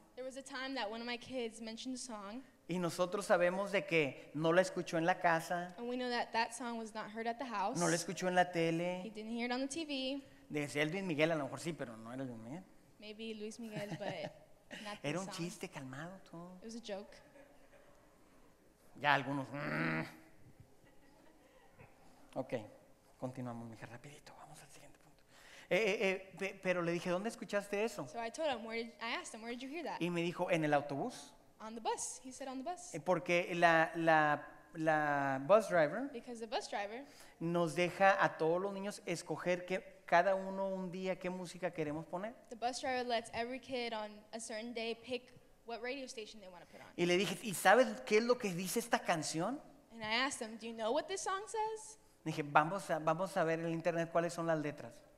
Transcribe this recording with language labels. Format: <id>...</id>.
<en>There was a time that one of my kids mentioned a song.</en> <es>Y nosotros sabemos de que no la escuchó en la casa.</es> <en>And we know that that song was not heard at the house.</en> <es>No la escuchó en la tele.</es> <en>He didn't hear it on the TV.</en> <es>Decía Luis Miguel, a lo mejor sí, pero no era Luis Miguel.</es> <en>Maybe Luis Miguel, but not the song.</en> <es>Era un chiste calmado todo.</es> <en>It was a joke.</en> <es>Ya algunos. Okay, continuamos, mija, rapidito. Vamos al siguiente punto. Pero le dije, ¿dónde escuchaste eso?</es> <en>So I told him, I asked him, where did you hear that?</en> <es>Y me dijo, en el autobús.</es> <en>On the bus, he said on the bus.</en> <es>Porque la</es> <en>bus driver, because the bus driver</en> <es>nos deja a todos los niños escoger que cada uno un día qué música queremos poner.</es> <en>The bus driver lets every kid on a certain day pick what radio station they want to put on.</en> <es>Y le dije, ¿y sabes qué es lo que dice esta canción?</es> <en>And I asked him, do you know what this song says?</en> <es>Dije, vamos a ver en el internet cuáles son las letras.</es>